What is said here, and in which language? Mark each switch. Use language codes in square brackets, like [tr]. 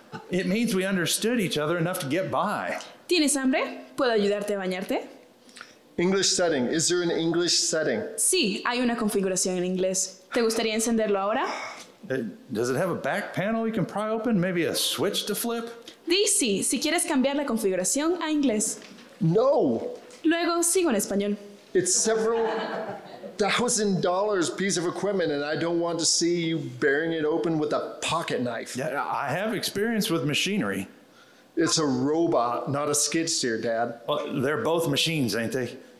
[en] It means we understood each other enough to get by. [es] ¿Tienes hambre? ¿Puedo ayudarte a bañarte? [en] English setting. Is there an English setting? [es] Sí, hay una configuración en inglés. ¿Te gustaría encenderlo ahora? [en] Does it have a back panel you can pry open? Maybe a switch to flip? [es] Dice, si quieres cambiar la configuración a inglés. No. Luego sigo en español. [en] It's several $1,000 piece of equipment, and I don't want to see you bearing it open with a pocket knife. Yeah, I have experience with machinery. It's a robot, not a skid steer, Dad. Well, they're both machines, ain't they?